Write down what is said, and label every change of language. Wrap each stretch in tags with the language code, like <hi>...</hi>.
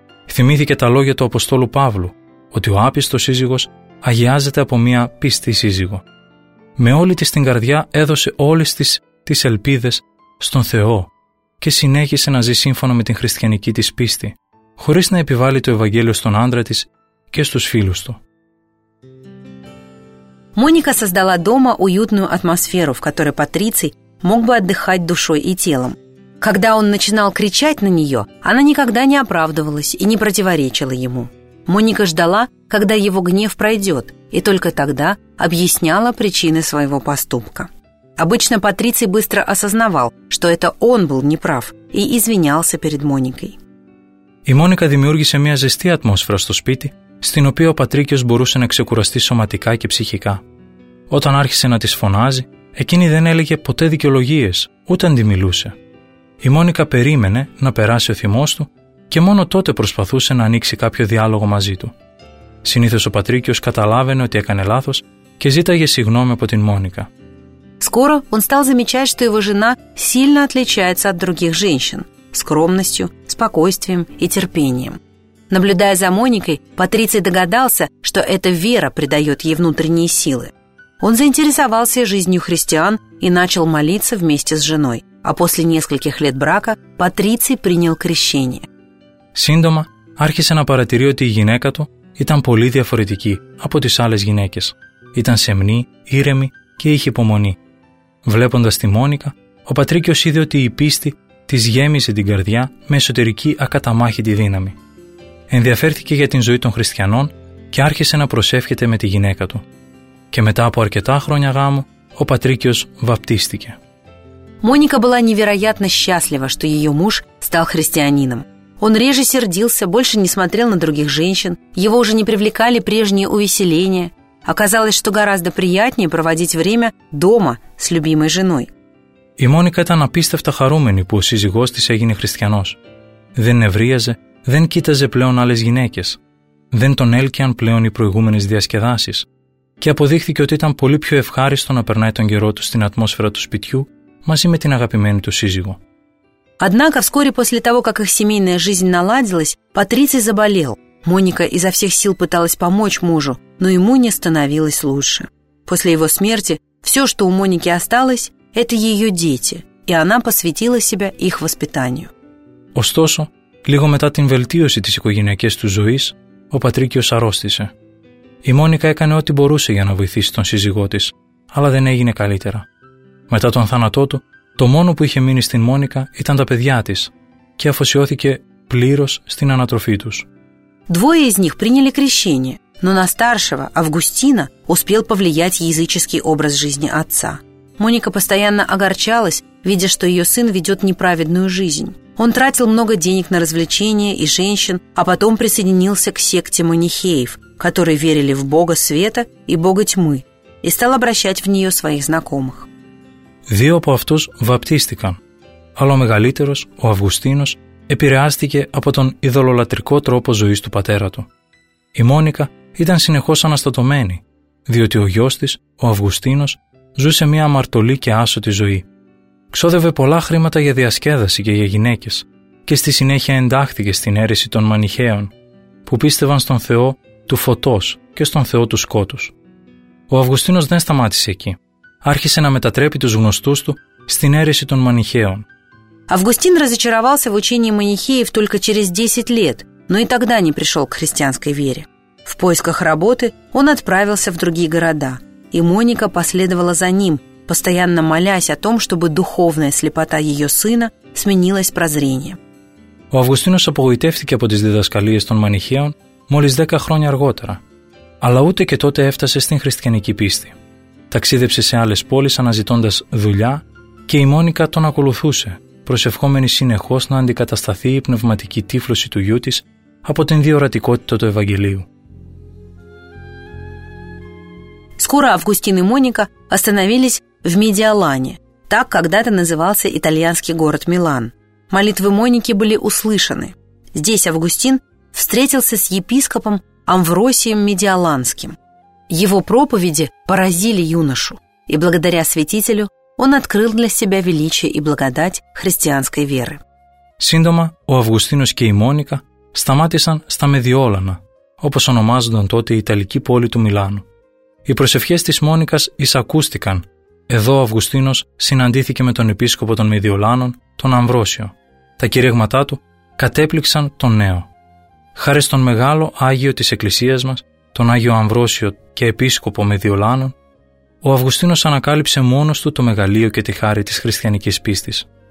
<el>Θυμήθηκε τα λόγια του Αποστόλου Παύλου, ότι ο άπιστος σύζυγος αγιάζεται από μια πιστή σύζυγο. Με όλη της την καρδιά έδωσε όλες τις ελπίδες στον Θεό και συνέχισε να ζει σύμφωνα με την χριστιανική της πίστη, χωρίς να επιβάλλει το Ευαγγέλιο στον άντρα της και στους φίλους του.</el> <ru>Μόνικα создала дома уютную атмосферу, в которой Патриций мог бы отдыхать душой и телом. Когда он начинал кричать на нее, она никогда не оправдывалась и не противоречила ему. Моника ждала, когда его гнев пройдет, и только тогда объясняла причины своего поступка. Обычно Патриций быстро осознавал, что это он был неправ, и извинялся перед Моникой.</ru> <el>Η Μόνικα δημιούργησε μια ζεστή ατμόσφαιρα στο σπίτι, στην οποία ο Πατρίκιος μπορούσε να ξεκουραστεί σωματικά και ψυχικά. Όταν άρχισε να τις φωνάζει, εκείνη δεν έλεγε ποτέ δικαιολογίες, ούτε αντιμιλούσε. Η Μόνικα περίμενε να περάσει ο θυμός του και μόνο τότε προσπαθούσε να ανοίξει κάποιο διάλογο μαζί του. Συνήθως ο Πατρίκιος καταλάβαινε ότι έκανε λάθος και ζήταγε συγγνώμη από την Μόνικα.</el> <ru>Скоро он стал замечать, что его жена сильно отличается от других женщин – скромностью, спокойствием и терпением. Наблюдая за Моникой, Патриций догадался, что эта вера придает ей внутренние силы. Он заинтересовался жизнью христиан и начал молиться вместе с женой, а после нескольких лет брака Патриций принял крещение.</ru> <el>Σύντομα άρχισε να παρατηρεί ότι η γυναίκα του ήταν πολύ διαφορετική από τις άλλες γυναίκες. Ήταν σεμνή, ήρεμη και είχε υπομονή. Βλέποντας τη Μόνικα, ο Πατρίκιος είδε ότι η πίστη της γέμισε την καρδιά με εσωτερική ακαταμάχητη δύναμη. Ενδιαφέρθηκε για την ζωή των χριστιανών και άρχισε να προσεύχεται με τη γυναίκα του. Και μετά από αρκετά χρόνια γάμου, ο Πατρίκιος βαπτίστηκε.</el> <ru>Μόνικα была невероятно счастлива, что ее муж стал христианином. Он реже сердился, больше не смотрел на других женщин, его уже не привлекали прежние увеселения. Оказалось, что гораздо приятнее проводить время дома с любимой женой.</ru> <el>Η Μόνικα ήταν απίστευτα χαρούμενη που ο σύζυγός της έγινε χριστιανός. Δεν νευρίαζε, δεν κοίταζε πλέον άλλες γυναίκες. Δεν τον έλκυαν πλέον οι προηγούμενες διασκεδάσεις. Και αποδείχθηκε ότι ήταν πολύ πιο ευχάριστο να περνάει τον καιρό του στην ατμόσφαιρα του σπιτιού μαζί με την αγαπημένη του σύζυγο.</el> <ru>Однако, вскоре после того, как их семейная жизнь наладилась, Патриций заболел. Моника изо всех сил пыталась помочь мужу, но ему не становилось лучше. После его смерти все, что у Моники осталось, это ее дети, и она посвятила себя их воспитанию.</ru> <el>Ωστόσο, λίγο μετά την βελτίωση της οικογενειακής του ζωής, ο Πατρίκιος αρρώστησε. Η Μόνικα έκανε ό,τι μπορούσε για να βοηθήσει τον σύζυγό της, αλλά δεν έγινε καλύτερα. Μετά τον θάνατό του, το μόνο που είχε μείνει στην Μόνικα ήταν τα παιδιά της και αφοσιώθηκε πλήρως στην ανατροφή τους.</el> <ru>Двое из них приняли крещение, но на старшего, Августина, успел повлиять языческий образ жизни отца. Моника постоянно огорчалась, видя, что ее сын ведет неправедную жизнь. Он тратил много денег на развлечения и женщин, а потом присоединился к секте манихеев, которые верили в Бога света и Бога тьмы, и стал обращать в нее своих знакомых.</ru> <el>Δύο από αυτούς βαπτίστηκαν, αλλά ο μεγαλύτερος, ο Αυγουστίνος, επηρεάστηκε από τον ειδωλολατρικό τρόπο ζωής του πατέρα του. Η Μόνικα ήταν συνεχώς αναστατωμένη, διότι ο γιος της, ο Αυγουστίνος, ζούσε μια αμαρτωλή και άσωτη ζωή. Ξόδευε πολλά χρήματα για διασκέδαση και για γυναίκες και στη συνέχεια εντάχθηκε στην αίρεση των Μανιχαίων, που πίστευαν στον Θεό του Φωτός και στον Θεό του Σκότους. Ο Αυγουστίνος δεν σταμάτησε εκεί. Άρχισε να μετατρέπει τους γνωστούς του στην αίρεση των Μανιχαίων.</el> <ru>Αυγουστίν разочаровался в учении манихеев только через 10 лет, но и тогда не пришел к христианской вере. В поисках работы он отправился в другие города, и Моника последовала за ним, постоянно молясь о том, чтобы духовная слепота ее сына сменилась прозрением.</ru> <el>Ο Αυγουστίνος απογοητεύτηκε από τις διδασκαλίες των Μανιχαίων μόλις 10 χρόνια αργότερα, αλλά ούτε και τότε έφτασε στην χριστιανική πίστη. Ταξίδεψε σε άλλες πόλεις αναζητώντας δουλειά και η Μόνικα τον ακολουθούσε, προσευχόμενη συνεχώς να αντικατασταθεί η πνευματική τύφλωση του γιού της από την διορατικότητα του Ευαγγελίου.</el> <ru>Скоро Августин и Моника остановились в Медиолане, так когда-то назывался итальянский город Милан. Молитвы Моники были услышаны. Здесь Августин встретился с епископом Амвросием Медиоланским. Его проповеди поразили юношу, и благодаря святителю он открыл для себя величие и благодать христианской веры.</ru> <el>Σύντομα, ο Αυγουστίνος και η Μόνικα σταμάτησαν στα Μεδιόλανα, όπως ονομάζονταν τότε η Ιταλική πόλη του Μιλάνου. Οι προσευχές της Μόνικας εισακούστηκαν. Εδώ ο Αυγουστίνος συναντήθηκε με τον επίσκοπο των Μεδιολάνων, τον Αμβρόσιο. Τα κηρύγματά του κατέπληξαν τον νέο. Χάρη στον μεγάλο Άγιο της Εκκλησίας μας, τον Άγιο Αμβρόσιο και επίσκοπο Μεδιολάνων, ο Αυγουστίνος ανακάλυψε μόνος του το μεγαλείο και τη χάρη της χριστιανικής πίστης.</el>